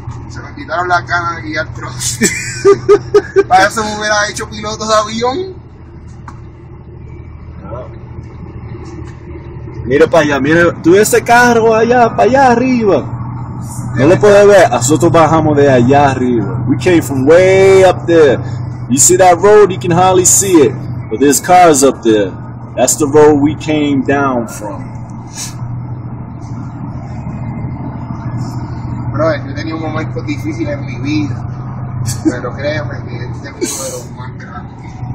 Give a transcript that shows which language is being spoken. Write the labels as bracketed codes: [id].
[es] Se me quitaron las ganas de guiar trucks. Para eso me hubiera hecho piloto de avión. Mira para allá, mira, tú ese carro allá, para allá arriba. No lo puedes ver, nosotros bajamos de allá arriba. [en] We came from way up there. You see that road, you can hardly see it. But there's cars up there. That's the road we came down from. [es] Bro, yo tenía un momento difícil en mi vida. Pero créeme que este es uno de los más grandes.